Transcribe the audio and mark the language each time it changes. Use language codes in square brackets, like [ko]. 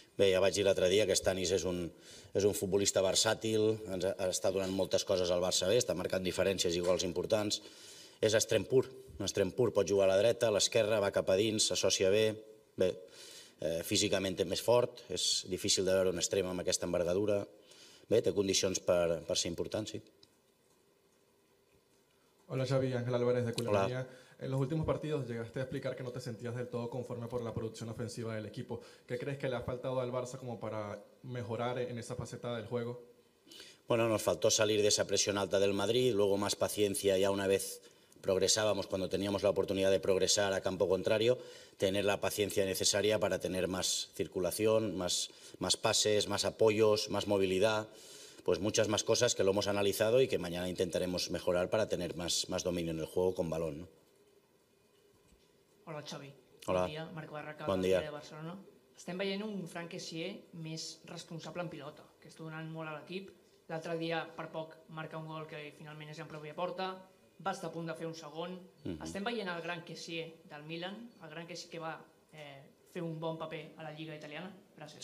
[ca] Bé, ja vaig dir l'altre dia que Estanis és un futbolista versàtil, està donant moltes coses al Barça B, està marcant diferències i gols importants. És extrem pur. Un extrem pur, pot jugar a la dreta, a l'esquerra, va cap a dins, s'associa bé. Bé, físicament és més fort, és difícil de veure un extrem amb aquesta envergadura. Bé, té condicions per ser important, sí. [es] Hola, Xavi, Ángel Álvarez de Culinaria. Hola. En los últimos partidos llegaste a explicar que no te sentías del todo conforme por la producción ofensiva del equipo. ¿Qué crees que le ha faltado al Barça como para mejorar en esa faceta del juego? Bueno, nos faltó salir de esa presión alta del Madrid, luego más paciencia ya una vez progresábamos cuando teníamos la oportunidad de progresar a campo contrario, tener la paciencia necesaria para tener más circulación, más pases, más apoyos, más movilidad, pues muchas más cosas que lo hemos analizado y que mañana intentaremos mejorar para tener más dominio en el juego con balón, ¿no? Hola, Xavi. Hola. [ca] Bon dia, Marc Barraca, bon dia. De Barcelona. Estem veient un Frank Kessié més responsable en pilota, que està donant molt a l'equip. L'altre dia, per poc, marca un gol que finalment és en pròpia porta. Va estar a punt de fer un segon. Uh-huh. Estem veient el gran Kessié del Milan, el gran Kessié que va fer un bon paper a la Lliga Italiana. Gràcies.